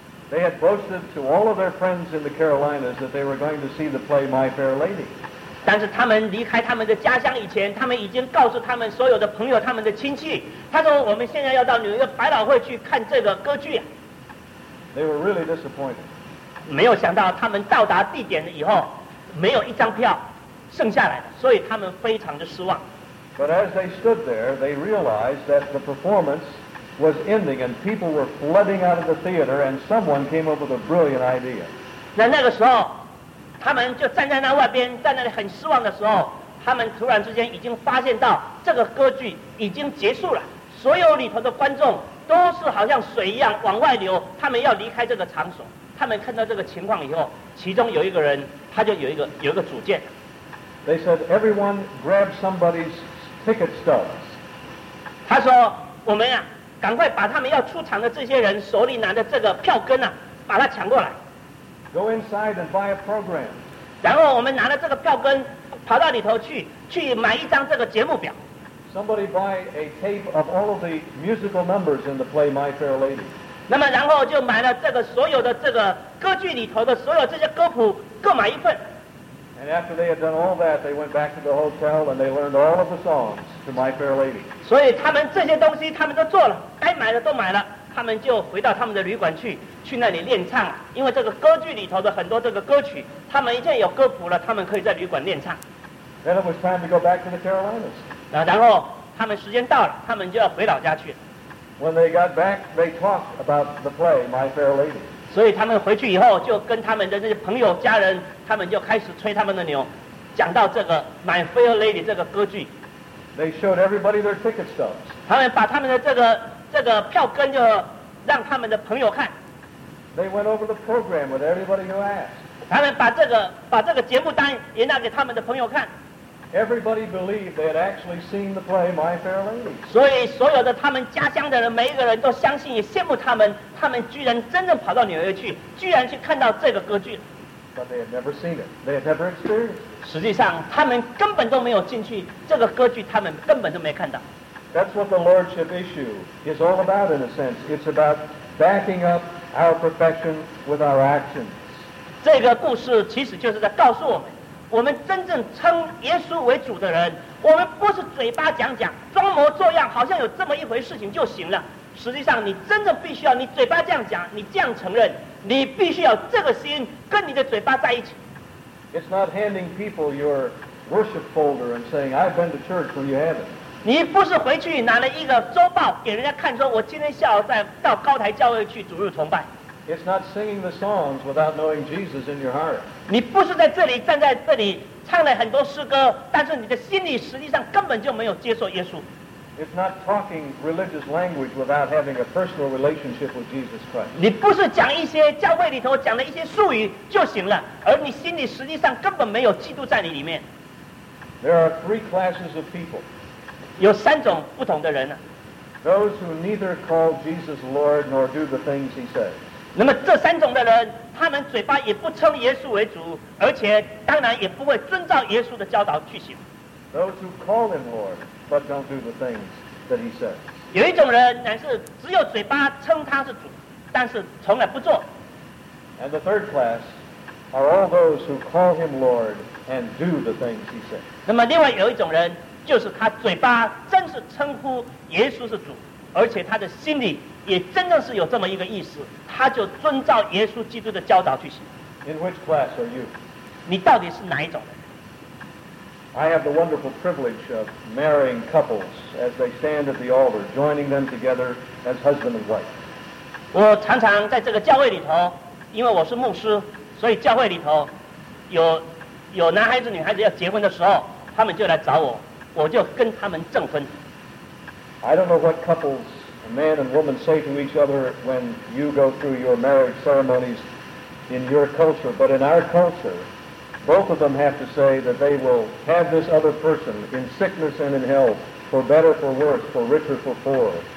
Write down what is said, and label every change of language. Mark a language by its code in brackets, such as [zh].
[en] They had boasted to all of their friends in the Carolinas that they were going to see the play My Fair Lady. [zh] 但是他们离开他们的家乡以前，他们已经告诉他们所有的朋友、他们的亲戚，他说：“我们现在要到纽约百老汇去看这个歌剧。” [en] They were really disappointed. [zh] 没有想到，他们到达地点以后，没有一张票，剩下来的，所以他们非常的失望。 [en] But as they stood there, they realized that the performance was ending and people were flooding out of the theater and someone came up with a brilliant idea. [zh] 那个时候他们就站在那外边，在那里很失望的时候，他们突然之间已经发现到这个歌剧已经结束了，所有里头的观众都是好像水一样往外流，他们要离开这个场所。他们看到这个情况以后，其中有一个人他就有一个主见。 [en] They said, everyone grab somebody's ticket stubs. [zh] 他说我们啊赶快把他们要出场的这些人手里拿的这个票根啊把它抢过来。 [en] Go inside and buy a program. [zh] 然后我们拿了这个票根跑到里头去买一张这个节目表。 [en] Somebody buy a tape of all of the musical numbers in the play My Fair Lady. [zh] 那么然后就买了这个所有的这个歌剧里头的所有这些歌谱各买一份。 [en] And after they had done all that, they went back to the hotel and they learned all of the songs to My Fair Lady. [zh] 所以他们这些东西他们都做了，该买的都买了，他们就回到他们的旅馆去那里练唱，因为这个歌剧里头的很多这个歌曲他们已经有歌谱了，他们可以在旅馆练唱。 [en] Then it was time to go back to the Carolinas. [zh] 然后他们时间到了，他们就要回老家去。 [en] When they got back, they talked about the play, My Fair Lady. [zh] 所以他们回去以后就跟他们的这些朋友家人，他们就开始吹他们的牛，讲到这个 My Fair Lady 这个歌剧。 [en] They showed everybody their ticket stubs. [zh] 他们把他们的这个票根就让他们的朋友看。 [en] They went over the program with everybody who asked. [zh] 他们把这个节目单也拿给他们的朋友看。 [en] Everybody believed they had actually seen the play My Fair Lady. [zh] 所以所有的他们家乡的人，每一个人都相信也羡慕他们居然真正跑到纽约去，居然去看到这个歌剧。 [en] But they had never seen it. They had never experienced it. [zh] 实际上他们根本都没有进去这个歌剧，他们根本都没看到。 [en] That's what the lordship issue is all about, in a sense. It's about backing up our profession with our actions. [zh] 这个故事其实就是在告诉我们，我们真正称耶稣为主的人，我们不是嘴巴讲讲，装模作样，好像有这么一回事情就行了。实际上，你真正必须要，你嘴巴这样讲，你这样承认，你必须要这个心跟你的嘴巴在一起。 [en] It's not handing people your worship folder and saying, "I've been to church when you haven't." [zh] 你不是回去拿了一个周报给人家看，说我今天下午再到高台教会去主日崇拜。 [en] It's not singing the songs without knowing Jesus in your heart. [zh] 你不是在这里站在这里唱了很多诗歌，但是你的心里实际上根本就没有接受耶稣。 [en] It's not talking religious language without having a personal relationship with Jesus Christ. [zh] 你不是讲一些教会里头讲的一些术语就行了，而你心里实际上根本没有基督在你里面。 [en] There are three classes of people. [zh] 有三种不同的人呢。 [en] Those who neither call Jesus Lord nor do the things He says. [zh] 那么这三种的人，他们嘴巴也不称耶稣为主，而且当然也不会遵照耶稣的教导去行。 [en] Those who call Him Lord but don't do the things that He says. [zh] 有一种人乃是只有嘴巴称他是主，但是从来不做。 [en] And the third class are all those who call Him Lord and do the things He says. [zh] 那么另外有一种人，就是他嘴巴真是称呼耶稣是主，而且他的心里也真正是有这么一个意思，他就遵照耶稣基督的教导去行。 [en] In which class are you? [zh] 你到底是哪一种人？ [en] I have the wonderful privilege of marrying couples as they stand at the altar, joining them together as husband and wife. [zh] 我常常在这个教会里头，因为我是牧师，所以教会里头有男孩子女孩子要结婚的时候，他们就来找我，我就跟他们证婚。 [en] I don't know what couples, a man and woman, say to each other when you go through your marriage ceremonies in your culture, but in our culture, both of them have to say that they will have this other person in sickness and in health, for better, for worse, for richer, for poorer.